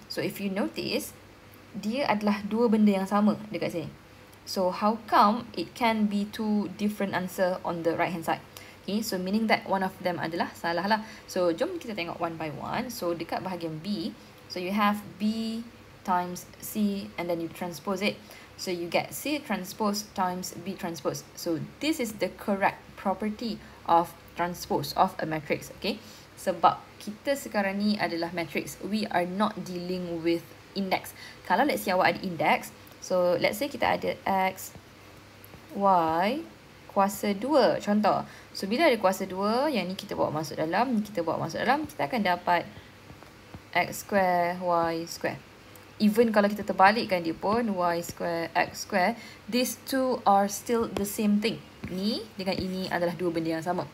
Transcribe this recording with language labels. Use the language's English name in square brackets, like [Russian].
[English] So if you notice, [Malay] dia adalah dua benda yang sama dekat sini. [English] So how come it can be two different answer on the right hand side? Okay, so meaning that one of them [Malay] adalah salah lah. [English] So [Malay] jom kita tengok [English] one by one. So [Malay] dekat bahagian B, [English] so you have B times C and then you transpose it, so you get C transpose times B transpose. So this is the correct property of transpose of a matrix. [Malay] Okay, sebab kita sekarang ni adalah matrix, [English] we are not dealing with index. [Malay] Kalau [English] let's say [Malay] awak ada index, so let's say kita ada x y kuasa 2 contoh. So bila ada kuasa 2, yang ni kita bawa masuk dalam, kita bawa masuk dalam, kita akan dapat x square y square. Even kalau kita terbalikkan dia pun, y square, x square, [English] these two are still the same thing. [Malay] Ni dengan ini adalah dua benda yang sama.